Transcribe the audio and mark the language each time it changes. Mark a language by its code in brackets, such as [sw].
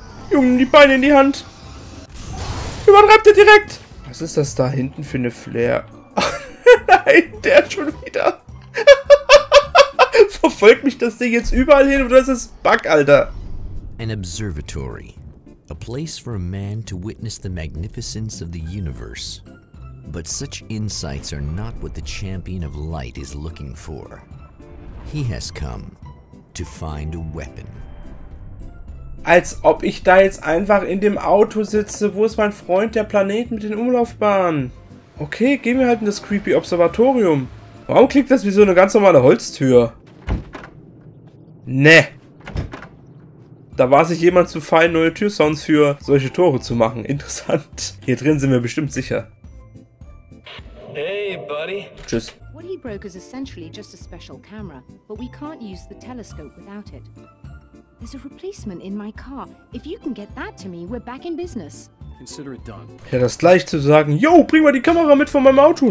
[de] Junge, die Beine in die Hand. Übertreibt er direkt! Was ist das da hinten für eine Flare? Nein, der schon wieder. Verfolgt mich das Ding jetzt überall hin oder ist es Bug, Alter? [en] An observatory. A place for a man to witness the magnificence of the universe. But such insights are not what the champion of light is looking for. He has come to find a weapon. [de] Als ob ich da jetzt einfach in dem Auto sitze. Wo ist mein Freund, der Planet mit den Umlaufbahnen? Okay, gehen wir halt in das creepy Observatorium. Warum klingt das wie so eine ganz normale Holztür? Ne. Da war sich jemand zu fein, neue Türsounds für solche Tore zu machen. Interessant. Hier drin sind wir bestimmt sicher. Hey, Buddy. Tschüss. [en] What he broke is essentially just a special camera, but we can't use the telescope without it. There's a replacement in my car. If you can get that to me, we're back in business. Consider it done. [de] Ja, das gleich zu sagen, yo, bring mal die Kamera mit von meinem Auto.